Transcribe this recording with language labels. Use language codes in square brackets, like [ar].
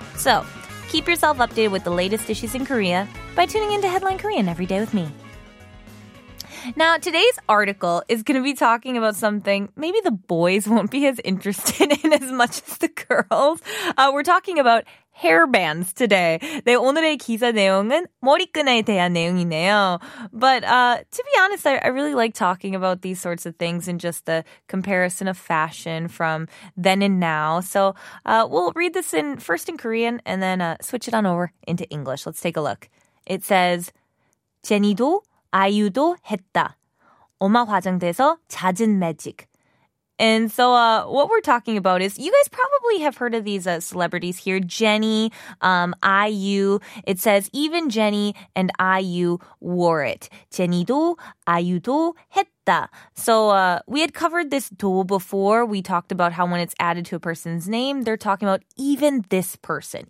[en] So, keep yourself updated with the latest issues in Korea by tuning into Headline Korean every day with me. Now, today's article is going to be talking about something maybe the boys won't be as interested in as much as the girls. We're talking about hairbands today. [ko] 네, 오늘의 기사 내용은 머리끈에 대한 내용이네요. [en] But to be honest, I really like talking about these sorts of things and just the comparison of fashion from then and now. So we'll read this in first in Korean and then switch it on over into English. Let's take a look. It says, [ko] 제니도? 아이유도 했다. 엄마 화장대에서 잦은 매직. [en] And so what we're talking about is, you guys probably have heard of these celebrities here. Jenny, IU. It says even Jenny and IU wore it. [ko] 제니도 아이유도 했다. [en] So we had covered this 도 before. We talked about how when it's added to a person's name, they're talking about even this person.